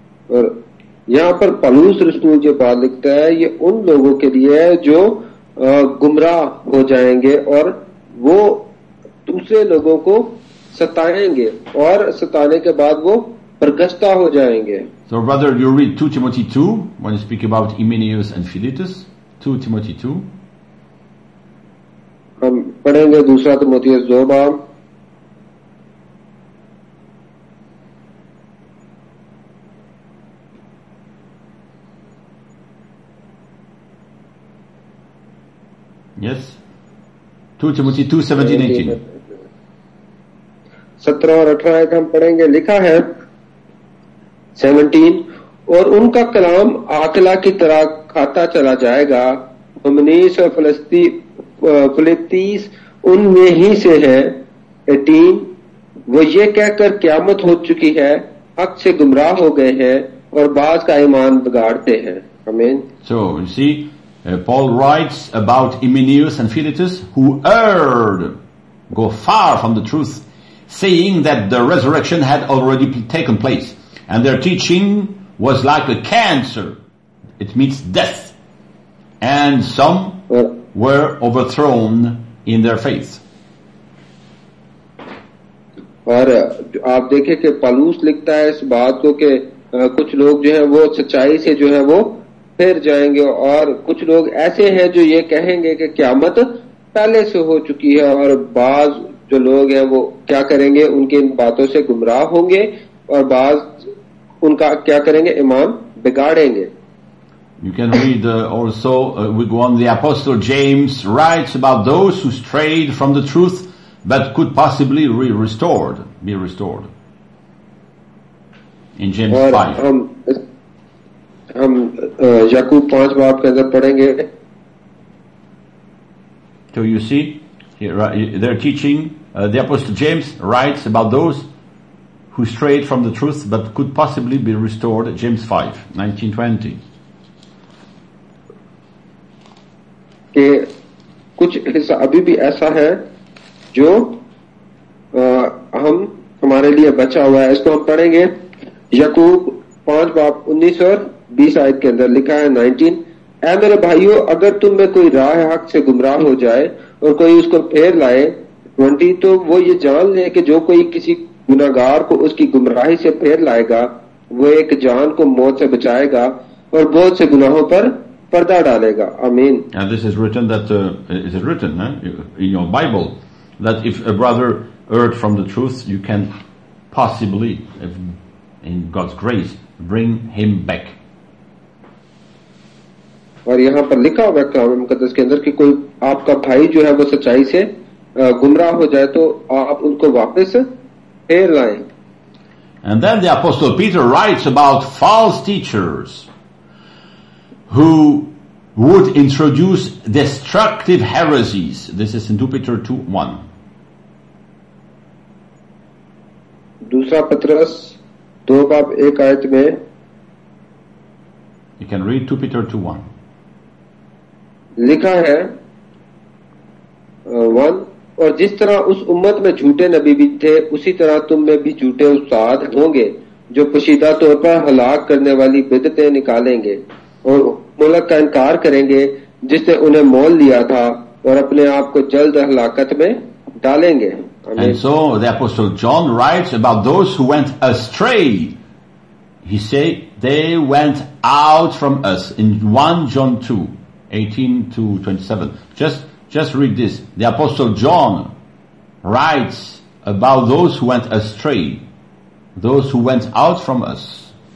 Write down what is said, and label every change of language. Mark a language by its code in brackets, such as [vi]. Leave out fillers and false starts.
[hi] और यहाँ पर पलूस रसूल जो बात लिखता है ये उन लोगों के लिए है जो गुमराह हो जाएंगे और वो दूसरे लोगों को सताएंगे और सताने के बाद वो परगश्ता हो जाएंगे। [en] So brother, you read 2 Timothy 2 when you speak about Emmaus and Philetus. 2 Timothy 2. [hi] हम पढ़ेंगे दूसरा तिमोथियस 2 बाब। [en] Yes, 2 Timothy 2:17-18. [hi] 17 और 18 आयत हम पढ़ेंगे, लिखा है 17, और उनका कलाम आकला की तरह खाता चला जाएगा, मुमनीस और फलतीस उनमें ही से है, 18, वो ये कहकर क्यामत हो चुकी है हक से गुमराह हो गए हैं और बाज का ईमान बिगाड़ते हैं। आमीन। [en] So you see, Paul writes about Emmaus and Philetus who erred, go far from the truth, saying that the resurrection had already taken place and their teaching was like a cancer. It means death. And some were overthrown in their faith. [hi] और आप देखे कि पालूस लिखता है इस बात को कि कुछ लोग जो है वो सच्चाई से जो है वो फिर जाएंगे और कुछ लोग ऐसे हैं जो ये कहेंगे कि क्यामत पहले से हो चुकी है और बाज जो लोग हैं वो क्या करेंगे, उनके इन बातों से गुमराह होंगे और बाज उनका क्या करेंगे, ईमान बिगाड़ेंगे। [en] You can read also we go on, the apostle James writes about those who strayed from the truth but could possibly be restored in James 5. [hi] हम याकूब 5 बाब के अंदर पढ़ेंगे। [en] So you see, they're teaching, the apostle James writes about those who strayed from the truth but could possibly be restored, James 5:19-20. [hi] के कुछ हिस्सा अभी भी ऐसा है जो हम हमारे लिए बचा हुआ है, इसको हम पढ़ेंगे। याकूब 5 बाब 19 और 20 आयत के अंदर लिखा है, 19, ऐ मेरे भाइयों, अगर तुम में कोई राह हक से गुमराह हो जाए और कोई उसको फेर लाए, 20, तो वो ये जान ले कि जो कोई किसी गुनागार को उसकी गुमराही से फेर लाएगा वो एक जान को मौत से बचाएगा और बहुत से गुनाहों पर पर्दा डालेगा। आमीन। [en] And this is written that is it written in your Bible that if a brother erred from the truth you can possibly if in God's grace bring him back. [hi] और यहाँ पर लिखा हुआ है कलाम मुकद्दस के अंदर कि कोई आपका भाई जो है वो सच्चाई से गुमराह हो जाए तो आप उनको वापस फेर लाएं. [en] And then the Apostle Peter writes about false teachers who would introduce destructive heresies. This is in 2 Peter 2:1. [hi] दूसरा पत्रस 2 बाब 1 आयत में. [en] You can read 2 Peter 2:1. [hi] लिखा है 1 और जिस तरह उस उम्मत में झूठे नबी भी थे उसी तरह तुम में भी झूठे उस्ताद होंगे जो पोशीदा तौर पर हलाक करने वाली बिदतें निकालेंगे और मुल्क का इनकार करेंगे जिसने उन्हें मोल लिया था और अपने आप को जल्द हलाकत में डालेंगे. [en] And so the Apostle John writes about those who went astray. He say they went out from us in 1 John 2:18 to 27. Just read this. The Apostle John writes about those who went astray, those who went out from us.